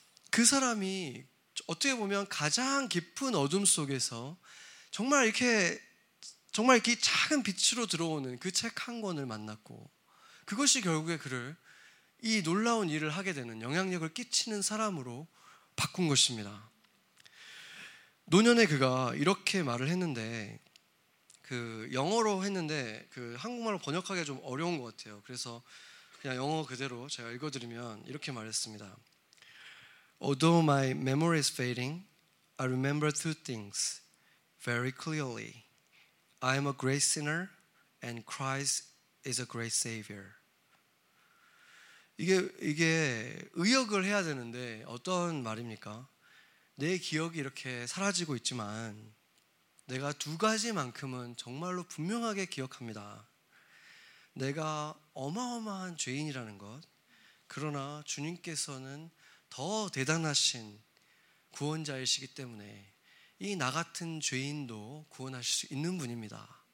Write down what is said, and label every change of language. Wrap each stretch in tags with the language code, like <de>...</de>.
<ko>그 사람이 어떻게 보면 가장 깊은 어둠 속에서 정말 이렇게 작은 빛으로 들어오는 그 책 한 권을 만났고 그것이 결국에 그를 이 놀라운 일을 하게 되는 영향력을 끼치는 사람으로 바꾼 것입니다. 노년에 그가 이렇게 말을 했는데 그 영어로 했는데 그 한국말로 번역하기가 좀 어려운 것 같아요. 그래서 그냥 영어 그대로 제가 읽어드리면 이렇게 말했습니다.</ko> <en>Although my memory is fading, I remember two things very clearly. I am a great sinner and Christ is a great savior.</en> <ko>이게 의역을 해야 되는데 어떤 말입니까? 내 기억이 이렇게 사라지고 있지만 내가 두 가지만큼은 정말로 분명하게 기억합니다. 내가 어마어마한 죄인이라는 것, 그러나 주님께서는 더 대단하신 구원자이시기 때문에 이 나 같은 죄인도 구원하실 수 있는 분입니다.</ko>